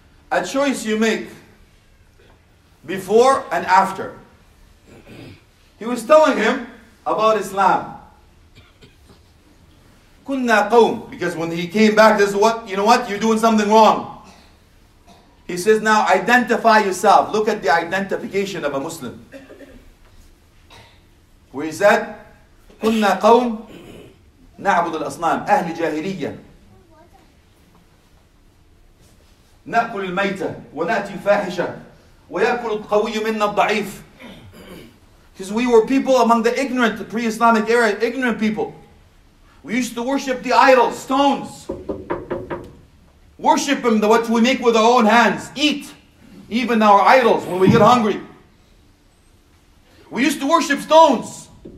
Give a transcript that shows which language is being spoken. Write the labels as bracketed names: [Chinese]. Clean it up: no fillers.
[English] A choice you make before and after. He was telling him about Islam. [Arabic] كنا قوم. [English] Because when he came back, this is what, you know what? You're doing something wrong. He says, now identify yourself. Look at the identification of a Muslim. Where he said, [Arabic] كنا قوم نعبد الأصنام أهل جاهلية. نأكل الميتة ونأتي فاحشة ويأكل القوي منا الضعيف. [English] Because we were people among the ignorant, the pre-Islamic era, ignorant people. We used to worship the idols, stones. Worship them, what we make with our own hands. Eat, even our idols when we get hungry. We used to worship stones.